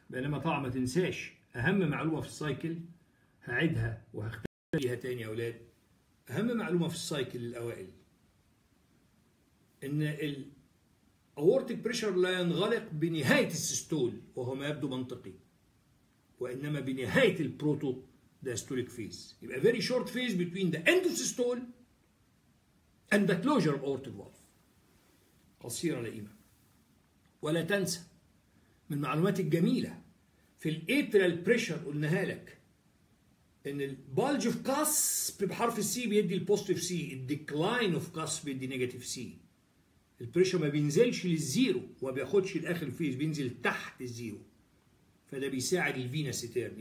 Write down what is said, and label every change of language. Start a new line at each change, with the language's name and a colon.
Arabic: بينما طبعا ما تنساش أهم معلومة في السايكل، هعيدها وهختم بيها تاني يا أولاد. أهم معلومة في السايكل الأوائل إن الأورتيك بريشر لا ينغلق بنهاية السيستول وهو ما يبدو منطقي، وإنما بنهاية البروتو داستوليك فيز.
English: يبقى very short phase between the end of systole and the closure of aortic valve.
Arabic: قصيرة لئيمة. ولا تنسى من المعلومات الجميلة في الاتريال بريشر، قلناها لك ان البالج اوف كاس بحرف السي بيدي البوزيتيف سي، الديكلاين اوف كاس بيدي نيجاتيف سي. البريشر ما بينزلش للزيرو وما بياخدش الاخر فيز، بينزل تحت الزيرو، فده بيساعد الفينس تيرن.